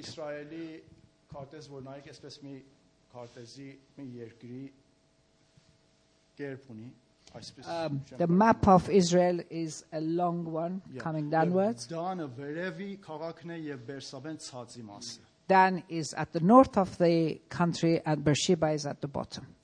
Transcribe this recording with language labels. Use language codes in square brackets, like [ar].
[hy] Իսրայելի քարտեզ, որ նայեք, այսպես մի քարտեզի, մի երկրի կերպ ունի, այսպես [en] The map of Israel is a long one coming downwards. [hy] Դանը վերևի քաղաքն է եւ Բերսաբեն ցածի մասը։ [en] Dan is at the north of the country and Beersheba is at the bottom.